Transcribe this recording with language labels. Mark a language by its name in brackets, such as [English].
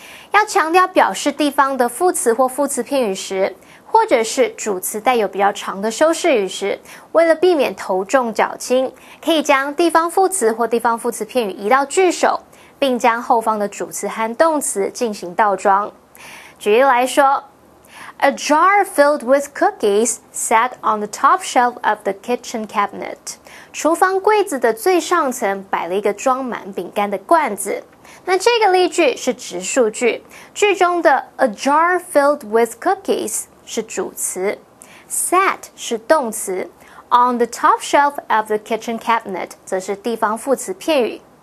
[Chinese] 要强调表示地方的副词或副词片语时，或者是主词带有比较长的修饰语时，为了避免头重脚轻，可以将地方副词或地方副词片语移到句首，并将后方的主词和动词进行倒装。举例来说 [English] A jar filled with cookies sat on the top shelf of the kitchen cabinet. [Chinese] 厨房柜子的最上层摆了一个装满饼干的罐子。那这个例句是直述句，句中的 [English] A jar filled with cookies [Chinese] 是主词， sat 是动词， [English] on the top shelf of the kitchen cabinet [Chinese] 则是地方副词片语。